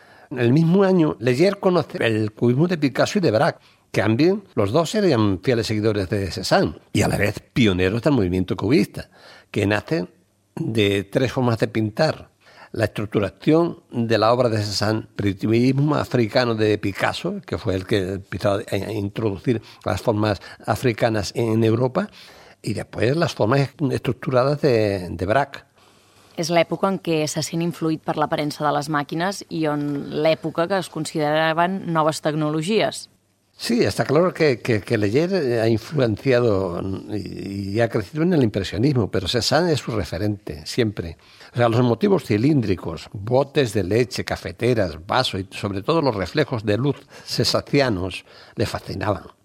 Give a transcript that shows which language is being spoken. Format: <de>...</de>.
<es>En el mismo año, Leger conoce el cubismo de Picasso y de Braque, que también los dos serían fieles seguidores de Cézanne y a la vez pioneros del movimiento cubista, que nace de 3 formas de pintar: la estructuración de la obra de Cézanne, primitivismo africano de Picasso, que fue el que empezó a introducir las formas africanas en Europa, y después las formas estructuradas de Braque.</es> <ca>És l'època en què se sent influït per l'aparença de les màquines i on l'època que es consideraven noves tecnologies.</ca> <es>Sí, está claro que Leger ha influenciado y ha crecido en el impresionismo, pero Cézanne es su referente, siempre. O sea, los motivos cilíndricos, botes de leche, cafeteras, vasos y sobre todo los reflejos de luz cézannianos le fascinaban.</es>